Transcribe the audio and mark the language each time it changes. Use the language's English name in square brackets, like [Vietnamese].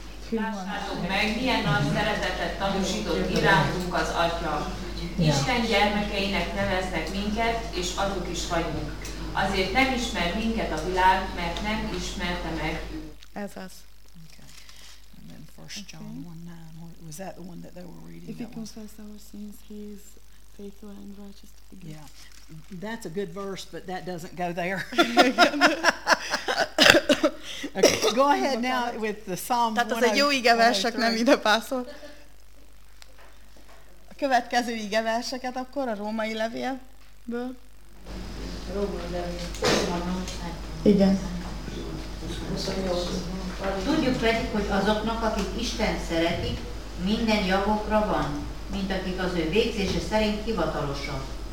[Hungarian] Lássátok meg, milyen nagy szeretetet tanúsított irántunk az Atya. Isten gyermekeinek neveznek minket, és azok is vagyunk. Azért nem ismer minket a világ, mert nem ismerte meg. Ez az. [English] Okay. And then 1 John 1:9. Was that the one that they were reading? If we confess our sins, he is faithful and righteous to forgive. Yeah, that's a good verse, but that doesn't go there. Okay, go ahead now with the Psalm. [Hungarian] Tehát az egy jó igevers, csak nem ide pászol. A következő igeverseket akkor a római levélből. Igen. Tudjuk pedig, hogy azoknak, akik Isten szeretik, minden javukra van, mint akik az ő végzése szerint hivatalosak.